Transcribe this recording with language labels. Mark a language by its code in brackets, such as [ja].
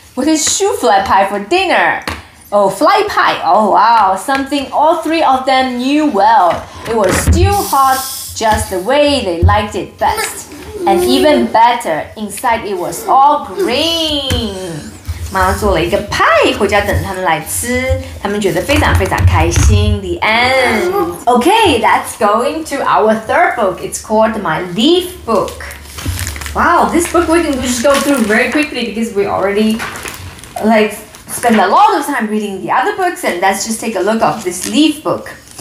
[en] What is souffle pie for dinner? Oh, fly pie. Oh, wow. Something all three of them knew well. It was still hot, just the way they liked it best. And even better, inside it was all green. [zh] 妈妈做了一个 pie 回家等他们来吃，他们觉得非常非常开心。 [en] The end. Okay, that's going to our third book. It's called My Leaf Book. Wow, this book we can just go through very quickly because we already, like, spend a lot of time reading the other books, and let's just take a look at this leaf book.